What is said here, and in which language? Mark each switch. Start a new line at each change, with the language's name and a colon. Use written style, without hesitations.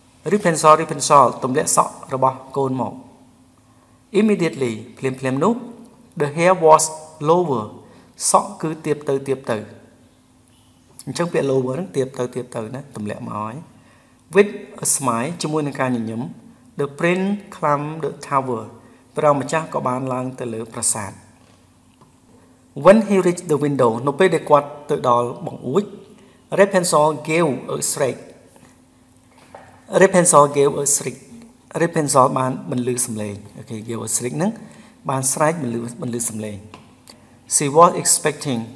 Khmer: Repunzel, Repunzel, ទម្លាក់សក់របស់កូនមក.
English: Immediately,
Khmer: ភ្លាមភ្លាមនោះ,
English: the hair was lower.
Khmer: សក់គឺទាបទៅទាបទៅ. អញ្ចឹងពាក្យ lower ហ្នឹងទាបទៅទាបទៅណា, ទម្លាក់មកហើយ.
English: With a smile,
Khmer: ជាមួយនឹងការញញឹម,
English: the prince climbed the tower.
Khmer: ព្រះម្ចាស់ក៏បានឡើងទៅលើប្រាសាទ.
English: When he reached the window,
Khmer: នៅពេលដែលគាត់ទៅដល់បង្អួច,
English: Repunzel gave a shriek. Repunzel gave a shriek. Repunzel
Khmer: បានបន្លឺសំឡេង.
English: Okay, gave a shriek
Khmer: ហ្នឹងបានស្រែកបន្លឺសំឡេង.
English: She was expecting.